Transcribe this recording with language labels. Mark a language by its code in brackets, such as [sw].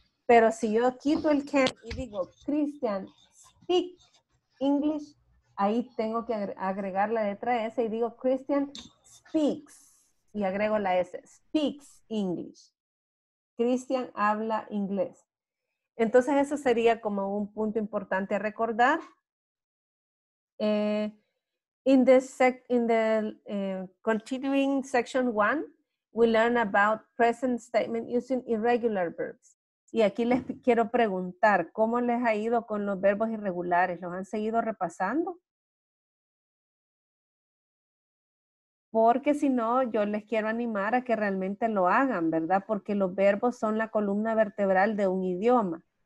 [es] Pero si yo quito el can y digo, [en] Christian speak English, [es] ahí tengo que agregar la letra S y digo Christian speaks y agrego la S, speaks English. Christian habla inglés. Entonces eso sería como un punto importante a recordar. [en] Continuing section 1, we learn about present statement using irregular verbs. [es] Y aquí les quiero preguntar, ¿cómo les ha ido con los verbos irregulares? ¿Los han seguido repasando? porque si no, yo les quiero animar a que realmente lo hagan, ¿verdad? Porque los verbos son la columna vertebral de un idioma.